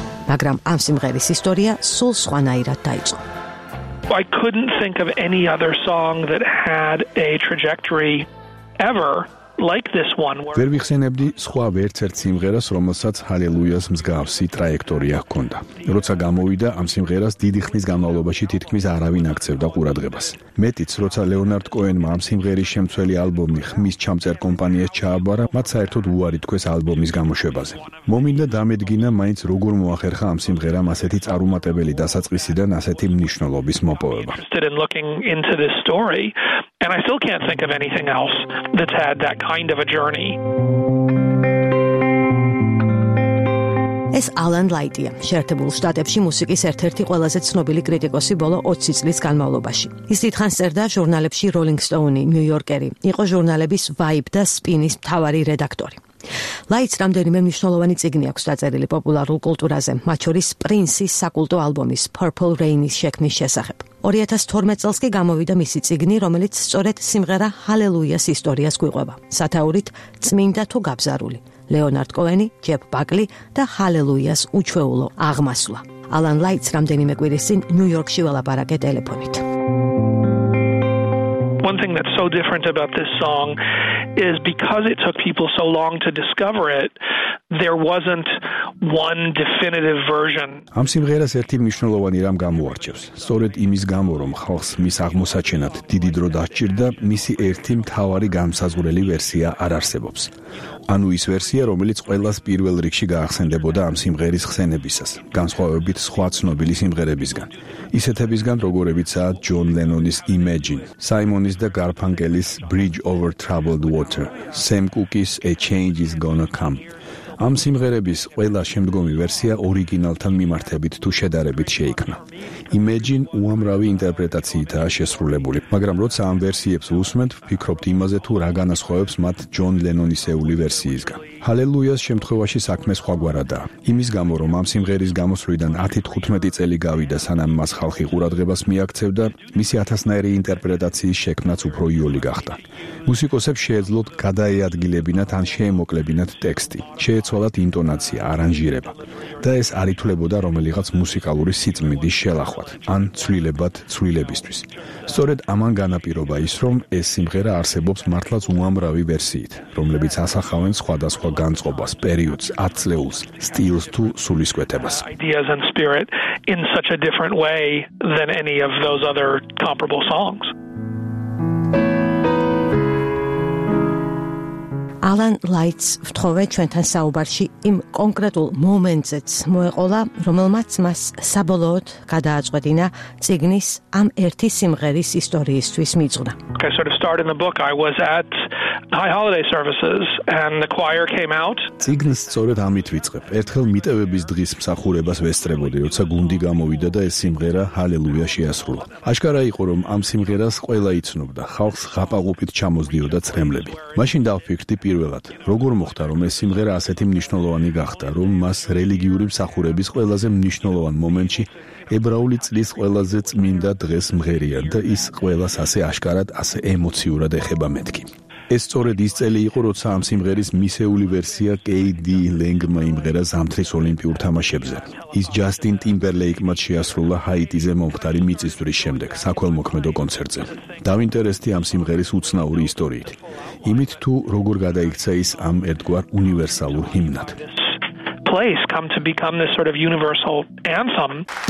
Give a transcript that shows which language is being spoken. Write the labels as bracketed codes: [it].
[ka] მაგრამ ამ სიმღერის ისტორია სულ სხვანაირად დაიწყო. [en] I couldn't think of any other song that had a trajectory ever like this one. [ka] ვერ ვიხსენებდი სხვა ვერცერც სიმღერას, რომელსაც Halleluja-ს მსგავსი ტრაექტორია ჰქონდა. როცა გამოვიდა ამ სიმღერას დიდი ხნის განმავლობაში თითქმის არავინ აქცევდა ყურადღებას. მეტიც, როცა Leonard Cohen-მა ამ სიმღერის შემცველი ალბომი ხმის ჩამწერ კომპანიას ჩააბარა, მათ საერთოდ უარი თქვეს ალბომის გამოშვებაზე. მომინდა დამედგინა, მაინც როგორ მოახერხა ამ სიმღერამ ასეთი წარუმატებელი დასაწყისიდან ასეთი მნიშვნელობის მოპოვება. [en] And I still can't think of anything else that's had that kind of a journey. [ka] ეს ალან ლაიტია, შეერთებულ შტატებში მუსიკის ერთ-ერთი ყველაზე ცნობილი კრიტიკოსი ბოლო 20 წლის განმავლობაში. ის დიდხანს წერდა ჟურნალებში Rolling Stone, New Yorker-ი, იყო ჟურნალების Vibe და Spin-ის მთავარი რედაქტორი. ლაიტს რამდენიმე მნიშვნელოვანი წიგნი აქვს დაწერილი პოპულარულ კულტურაზე, მათ შორის პრინსის საკულტო ალბომის Purple Rain-ის შექმნის შესახებ. 2012 წელს კი გამოვიდა მისი წიგნი, რომელიც სწორედ სიმღერა Halleluja-ს ისტორიას გვიყვება. სათაურით წმინდა თუ გაბზარული. Leonard Cohen-ი, Jeff Buckley და Halleluja-ს უჩვეულო აღმასვლა. Alan Lights რამდენიმე კვირის წინ ნიუ-იორკში ველაპარაკე ტელეფონით. [en] One thing that's so different about this song is because it took people so long to discover it, there wasn't one definitive version. [ka] ამ სიმღერას ერთი მნიშვნელოვანი რამ გამოარჩევს. სწორედ იმის გამო, რომ ხალხს მის აღმოსაჩენად დიდი დრო დასჭირდა, მისი ერთი მთავარი განსაზღვრელი ვერსია არ არსებობს. ანუ ის ვერსია, რომელიც ყველას პირველ რიგში გაახსენდებოდა ამ სიმღერის ხსენებისას, განსხვავებით სხვა ცნობილი სიმღერებისგან. ისეთებისგან, როგორებიცაა ჯონ ლენონის Imagine, საიმონის და გარფანკელის Bridge Over Troubled Water, Sam Cooke-ის A Change Is Gonna Come. ამ სიმღერების ყველა შემდგომი ვერსია ორიგინალთან მიმართებით თუ შედარებით შეიქმნა. Imagine უამრავი ინტერპრეტაციითაა შესრულებული, მაგრამ როცა ამ ვერსიებს უსმენთ, ფიქრობთ იმაზე, თუ რა განასხვავებს მათ ჯონ ლენონისეული ვერსიისგან. Halleluja-ს შემთხვევაში საქმე სხვაგვარადაა. იმის გამო, რომ ამ სიმღერის გამოსვლიდან 10-15 წელი გავიდა, სანამ მას ხალხი ყურადღებას მიაქცევდა, მისი ათასნაირი ინტერპრეტაციის შექმნაც უფრო იოლი გახდა. მუსიკოსებს შეეძლოთ გადაეადგილებინათ ან შეემოკლებინათ ტექსტი, შეეცვალათ ინტონაცია, არანჟირება. და ეს არ ითვლებოდა რომელიღაც მუსიკალური სიწმიდის შელახვად, ან ცვლილებად ცვლილებისთვის. სწორედ ამან განაპირობა ის, რომ ეს სიმღერა არსებობს მართლაც უამრავი ვერსიით, რომლებიც ასახავენ სხვადასხვა განწყობას, პერიოდს, ათწლეულს, სტილს თუ სულისკვეთებას. [en] Ideas and spirit in such a different way than any of those other comparable songs. [ka] Alan Lights ვთხოვე ჩვენთან საუბარში იმ კონკრეტულ მომენტზეც მოეყოლა, რომელმაც მას საბოლოოდ გადააწყვეტინა წიგნის ამ ერთი სიმღერის ისტორიისთვის მიძღვნა. [en] I sort of started in the book I was at high holiday services and the choir came out. [ka] წიგნს სწორედ ამით ვიწყებ. ერთხელ მიტევების დღის მსახურებას ვესწრებოდი, როცა გუნდი გამოვიდა და ეს სიმღერა Halleluja შეასრულა. აშკარა იყო, რომ ამ სიმღერას ყველა იცნობდა, ხალხს ღაპაღუპით ჩამოსდიოდა ცრემლები. მაშინ დავფიქრდი პირველად, როგორ მოხდა, რომ ეს სიმღერა ასეთი მნიშვნელოვანი გახდა, რომ მას რელიგიური მსახურების ყველაზე მნიშვნელოვან მომენტში ებრაული წლის ყველაზე წმინდა დღეს მღერია და ის ყველას ასე აშკარად, ასე ემოციურად ეხება მეთქი. ეს სწორედ ის წელი იყო, როცა ამ სიმღერის მისეული ვერსია კეიდი ლენგმა იმღერა ზამთრის ოლიმპიურ თამაშებზე. ის ჯასტინ ტიმბერლეიკმა შეასრულა ჰაიტიზე მომხდარი მიწისძვრის შემდეგ საქველმოქმედო კონცერტზე. დავინტერესდი ამ სიმღერის უცნაური ისტორიით, იმით თუ როგორ გადაიქცა ის ამ ერთგვარ უნივერსალურ ჰიმნად. [en] Place come to become this sort of universal anthem.